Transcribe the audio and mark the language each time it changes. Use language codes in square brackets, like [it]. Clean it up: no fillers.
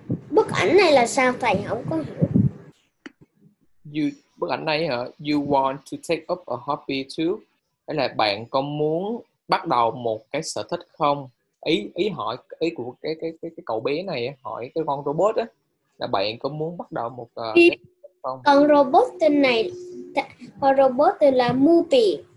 [vi] Bức ảnh này là sao thầy không có hiểu? [en] You [vi] bức ảnh này hả? [en] You want to take up a hobby too? [vi] Hay là bạn có muốn bắt đầu một cái sở thích không? Ý hỏi ý của cái cậu bé này hỏi cái con robot á là bạn có muốn bắt đầu một cái không? Con robot tên này con robot tên là Mupi.